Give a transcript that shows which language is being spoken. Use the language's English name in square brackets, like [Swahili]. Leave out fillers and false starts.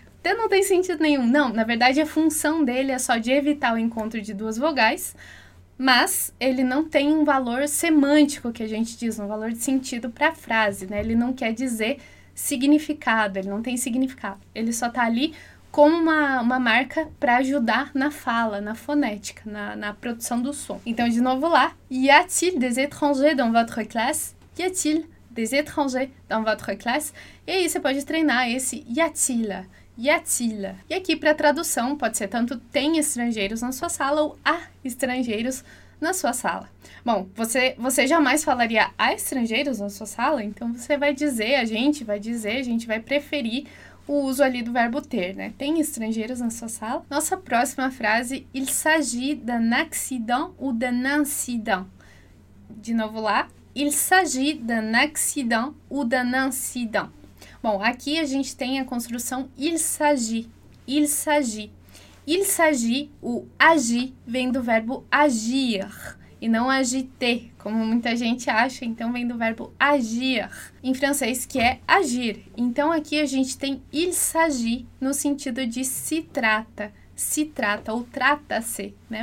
[Portuguese] Até não tem sentido nenhum. Não, na verdade, a função dele é só de evitar o encontro de duas vogais, mas ele não tem um valor semântico, que a gente diz, um valor de sentido para a frase, né? Ele não quer dizer significado, ele não tem significado. Ele só está ali como uma marca para ajudar na fala, na fonética, na produção do som. Então, de novo lá. [French] Y a-t-il des étrangers dans votre classe? Y a-t-il des étrangers dans votre classe? [Portuguese] E aí, você pode treinar esse [French] y a-t-il. [Portuguese] E aqui para tradução pode ser tanto tem estrangeiros na sua sala ou há estrangeiros na sua sala. Bom, você jamais falaria há estrangeiros na sua sala, então você vai dizer, a gente vai preferir o uso ali do verbo ter, né? Tem estrangeiros na sua sala. Nossa próxima frase, [French] il s'agit d'un accident ou d'un incident. [Portuguese] De novo lá, [French] il s'agit d'un accident ou d'un incident. [Portuguese] Bom, aqui a gente tem a construção [French] il s'agit, il s'agit. [Portuguese] Il s'agit, o agir, vem do verbo agir e não agiter, como muita gente acha, então vem do verbo agir, em francês, que é agir. Então aqui a gente tem [French] il s'agit [Portuguese] no sentido de se trata ou trata-se, né?